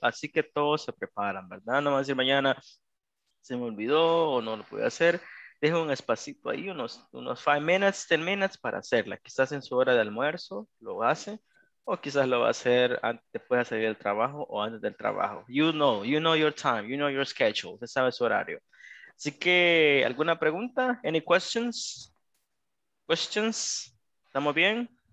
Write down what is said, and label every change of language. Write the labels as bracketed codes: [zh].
[es] Así que todos se preparan, ¿verdad? No más decir mañana se me olvidó o no lo pude hacer. Dejo un espacito ahí, unos [en] 5 minutes, 10 minutes [es] para hacerla. Quizás en su hora de almuerzo lo hace. O quizás lo va a hacer antes, después de salir del trabajo o antes del trabajo. [en] You know your time, you know your schedule. [es] Usted sabe su horario. Así que, ¿alguna pregunta? [en] Any questions? [es] ¿Estamos bien?